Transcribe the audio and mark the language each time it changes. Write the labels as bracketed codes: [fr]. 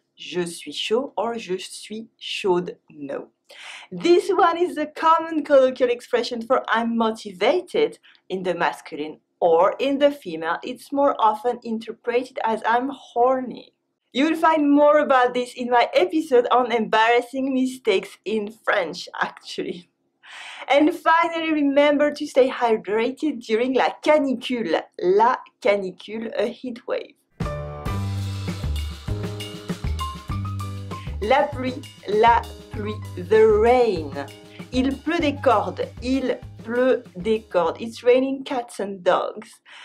[fr] Je suis chaud or je suis chaude. [en] No. This one is a common colloquial expression for I'm motivated in the masculine or in the female. It's more often interpreted as I'm horny. You will find more about this in my episode on embarrassing mistakes in French, actually. And finally, remember to stay hydrated during la canicule. [fr] La canicule, [en] a heat wave. [fr] La pluie, [en] the rain. [fr] Il pleut des cordes, il pleut des cordes. [en] It's raining cats and dogs.